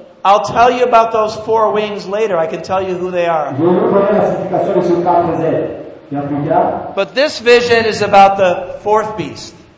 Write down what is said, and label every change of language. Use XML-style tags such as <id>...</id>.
<en>I'll tell you about those four wings later. I can tell you who they are.</en> <fr>Je vais vous donner la signification de ces quatre ailes.</fr> <en>But this vision is about the fourth beast.</en>